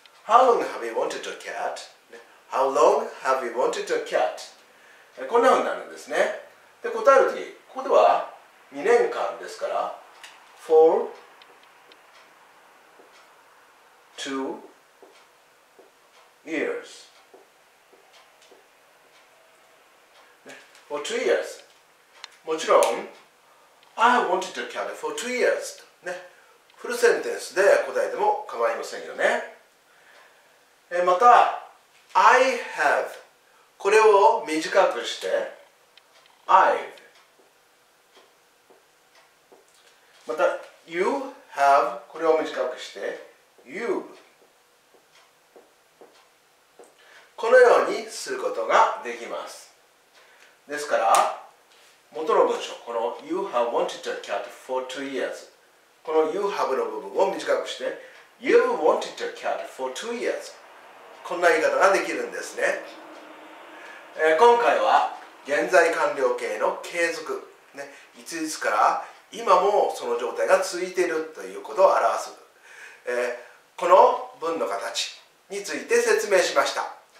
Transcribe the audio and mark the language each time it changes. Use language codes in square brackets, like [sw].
[en] How long have you wanted a cat? How long have you wanted a cat? [ja] こんな風になるんですね。で、答えるとき、ここでは2年間ですから、 for 2 years. [en] For 2 years. [ja] もちろん、 I have wanted a cat for 2 years.、ね、フルセンテンスで答えても構いませんよね。 [en] また、I have. [ja] これを短くして、 I've. [en] また、You have. [ja] これを短くして、 You've. このようにすることができます。ですから、元の文章、この You have wanted a cat for 2 years。この You have の部分を短くして You've wanted a cat for 2 years。こんな言い方ができるんですね。今回は現在完了形の継続、ね、いついつから今もその状態が続いているということを表す、この文の形について説明しました。